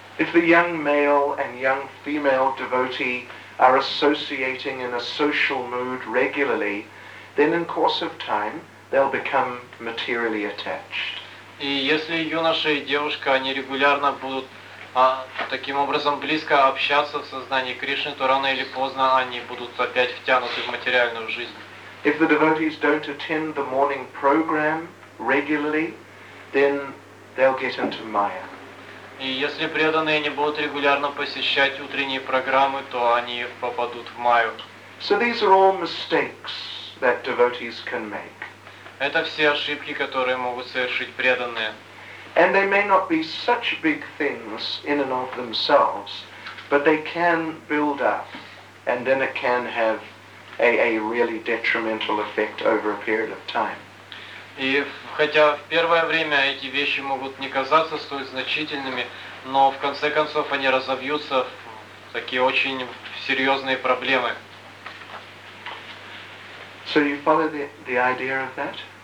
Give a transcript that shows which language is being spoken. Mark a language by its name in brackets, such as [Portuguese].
[English] If the young male and young female devotee are associating in a social mood regularly, then in course of time, they'll become materially attached. [Russian] И если юноша и девушка, они регулярно будут таким образом близко общаться в сознании Кришны, то рано или поздно они будут опять втянуты в материальную жизнь. [English] If the devotees don't attend the morning program regularly, then they'll get into Maya. [Russian] И если преданные не будут регулярно посещать утренние программы, то они попадут в Майю. [English] So these are all mistakes that devotees can make. [Russian] Это все ошибки, которые могут совершить преданные. [English] And they may not be such big things in and of themselves, but they can build up, and then it can have a really detrimental effect over a period of time. [Russian] И хотя в первое время эти вещи могут не казаться столь значительными, но в конце концов они разовьются в такие очень серьезные проблемы. [English] So you follow the idea of that?